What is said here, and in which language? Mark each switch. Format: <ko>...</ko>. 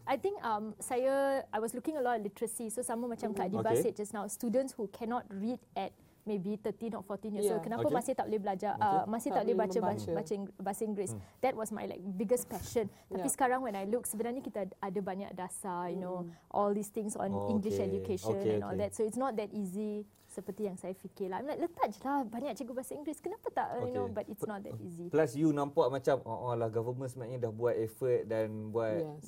<en>I was looking a lot at literacy. So</en> <ms>sama macam</ms> <en>Kak Diba said just now, students who cannot read at maybe 13 or 14 years old.</en> <ms>Kenapa masih tak boleh belajar, masih tak boleh baca bahasa Inggeris.</ms> <en>That was my like biggest passion.</en> <ms>Tapi sekarang</ms> <en>when I look,</en> <ms>sebenarnya kita ada banyak dasar,</ms> <en>you know, all these things on English education and all that. So it's not that easy</en> <ms>seperti yang saya fikir lah.</ms> <en>I'm like,</en> <ms>letak je lah banyak cikgu bahasa Inggeris. Kenapa tak,</ms> <en>you know, but it's not that easy.</en> <ms>Plus you nampak macam, government sebenarnya dah buat effort dan buat.</ms>